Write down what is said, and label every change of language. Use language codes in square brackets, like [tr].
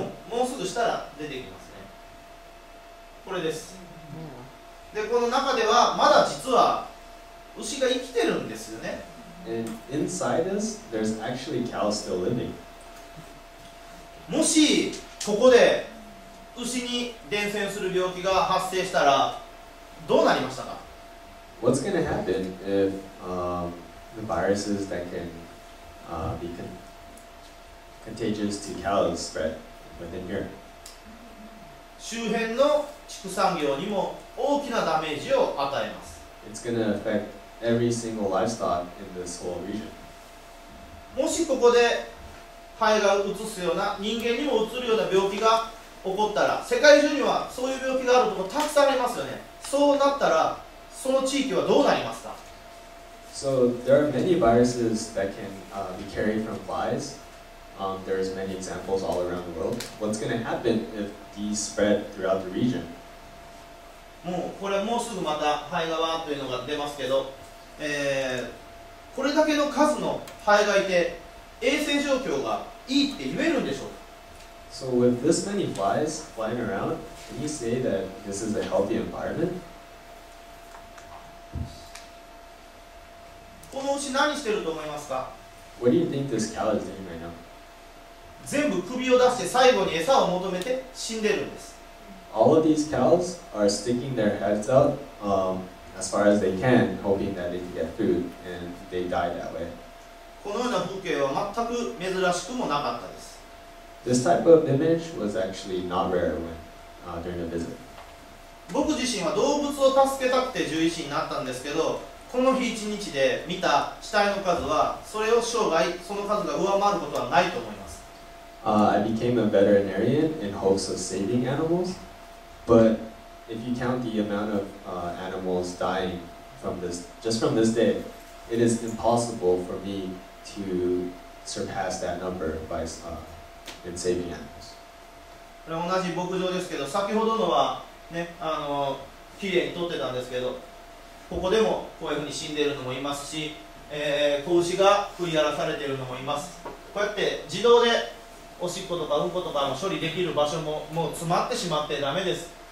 [ja] もうすぐしたら出てきますね。これです。で、この中ではまだ実は牛が生きてるんですよね。 [en] And inside us, there's actually cows still living. [ja] もしここで牛に伝染する病気が発生したらどうなりましたか？ [en] What's going to happen if the viruses that can be contagious to cows spread within here? [ja] 周辺の畜産業にも大きなダメージを与えます。 [en] It's going to affect every single livestock in this whole region. [ja] もしここでハエがうつすような、人間にもうつるような病気が起こったら、世界中にはそういう病気があるところたくさんありますよね。そうなったら、その地域はどうなりますか？ [en] So there are many viruses that can be carried from flies. There is many examples all around the world. What's going to happen if these spread throughout the region? [ja] もうこれもうすぐまたハエがわーというのが出ますけど、これだけの数のハエがいて衛生状況がいいって言えるんでしょうか？ [en] So with this many flies flying around, can you say that this is a healthy environment? [ja] この牛何してると思いますか？ [en] What do you think this cow is doing right now? [ja] 全部首を出して最後に餌を求めて死んでるんです。 [en] All of these cows are sticking their heads out as far as they can, hoping that they can get food, and they die that way. [ja] このような風景は全く珍しくもなかったです。 [en] This type of image was actually not rare when, during the visit. [ja] 僕自身は動物を助けたくて獣医師になったんですけど、この日一日で見た死体の数は、それを生涯その数が上回ることはないと思います。 [en] I became a veterinarian in hopes of saving animals. But if you count the amount of animals dying from this, just from this day, it is impossible for me to surpass that number by in saving animals. [ja] これ同じ牧場ですけど、先ほどのはね、綺麗に撮ってたんですけど、ここでもこういうふうに死んでいるのもいますし、子牛が食い荒らされているのもいます。こうやって自動でおしっことかうんことかの処理できる場所ももう詰まってしまってダメです。